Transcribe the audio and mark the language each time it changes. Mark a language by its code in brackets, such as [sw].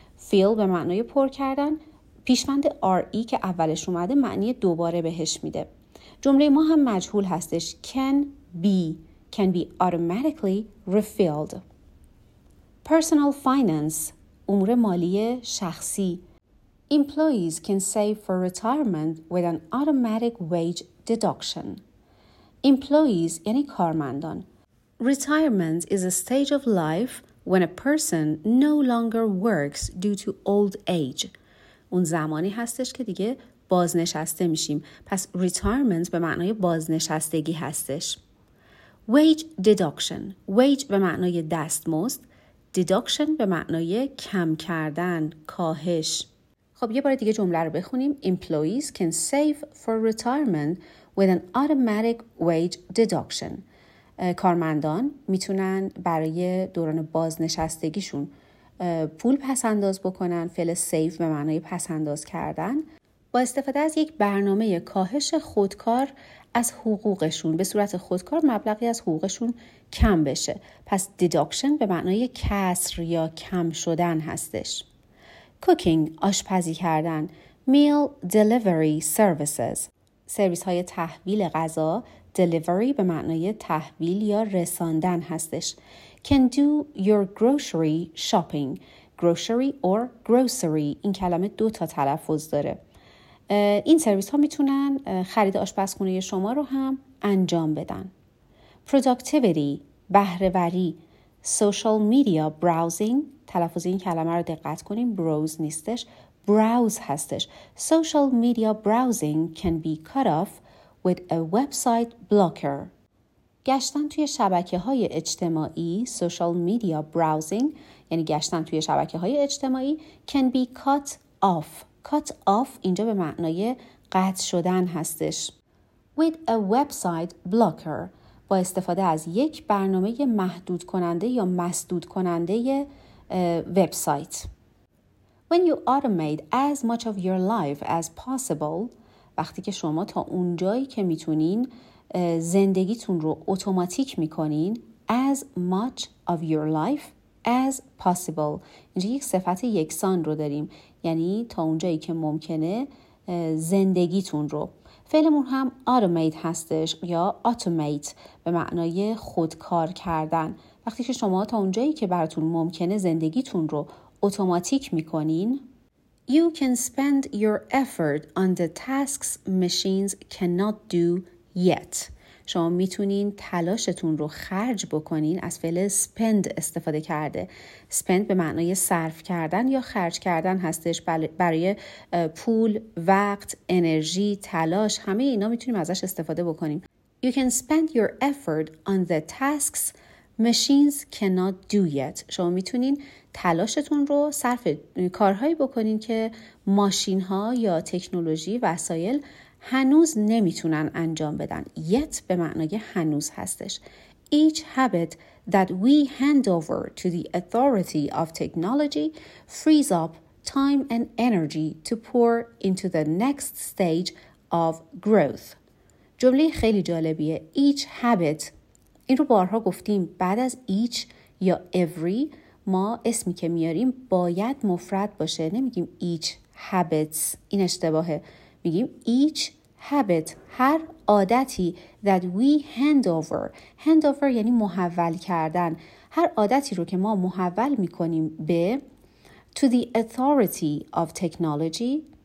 [fa] Fill به معنای پر کردن، پیشوند RE که اولش اومده معنی دوباره بهش میده. جمله ما هم مجهول هستش. [en] Can be automatically refilled. Personal finance [fa] امور مالی شخصی. [en] Employees can save for retirement with an automatic wage deduction. [fa] Employees یعنی کارمندان. [en] Retirement is a stage of life when a person no longer works due to old age. [fa] اون زمانی هستش که دیگه بازنشسته میشیم. پس retirement به معنای بازنشستگی هستش. [en] Wage deduction. [fa] Wage به معنای دستمزد. Deduction به معنای کم کردن، کاهش. خب یه بار دیگه جمله رو بخونیم. [en] Employees can save for retirement with an automatic wage deduction. [fa] کارمندان میتونن برای دوران بازنشستگیشون پول پسنداز بکنن. فعل save به معنای پسنداز کردن. با استفاده از یک برنامه کاهش خودکار از حقوقشون، به صورت خودکار مبلغی از حقوقشون کم بشه. پس deduction به معنای کسر یا کم شدن هستش. Cooking آشپزی کردن [en] Meal delivery services. [fa] سرویس های تحویل غذا، delivery به معنای تحویل یا رساندن هستش. [en] Can do your grocery shopping. [fa] Grocery or grocery. این کلمه دو تا تلفظ داره. این سرویس ها میتونن خرید آشپزخونه شما رو هم انجام بدن. [en] Productivity. بهره‌وری. Social media browsing. [fa] تلفظ این کلمه رو دقت کنیم. Browse نیستش. Browse هستش. [en] Social media browsing can be cut off with a website blocker. [fa] گشتن توی شبکه‌های اجتماعی، [en] social media browsing، [fa] یعنی گشتن توی شبکه‌های اجتماعی [en] can be cut off. [fa] Cut off اینجا به معنای قطع شدن هستش. [en] With a website blocker، [fa] با استفاده از یک برنامه محدود کننده یا مسدود کننده وبسایت. [en] When you automate as much of your life as possible، [fa] وقتی که شما تا اونجایی که میتونین زندگیتون رو اتوماتیک میکنین، [en] as much of your life as possible. [fa] اینجا یک صفت یکسان رو داریم، یعنی تا اونجایی که ممکنه زندگیتون رو. فعلمون هم automate هستش یا automate به معنای خودکار کردن. وقتی که شما تا اونجایی که براتون ممکنه زندگیتون رو اتوماتیک میکنین، [en] You can spend your effort on the tasks machines cannot do yet. [fa] شما میتونین تلاشتون رو خرج بکنین، از فعل spend استفاده کرده. Spend به معنای صرف کردن یا خرج کردن هستش، برای پول، وقت، انرژی، تلاش، همه اینا میتونیم ازش استفاده بکنیم. [en] You can spend your effort on the tasks machines cannot do yet. [fa] شما میتونین تلاشتون رو صرف کارهایی بکنین که ماشین ها یا تکنولوژی وسایل هنوز نمیتونن انجام بدن. Yet به معنای هنوز هستش. [en] Each habit that we hand over to the authority of technology frees up time and energy to pour into the next stage of growth. [fa] جمله خیلی جالبیه. Each habit، این رو بارها گفتیم، بعد از each یا every ما اسمی که میاریم باید مفرد باشه، نمیگیم [en] each habits، [fa] این اشتباهه، میگیم each habit، هر عادتی [en] that we hand over [fa] یعنی محول کردن، هر عادتی رو که ما محول میکنیم به [en] to the authority of technology.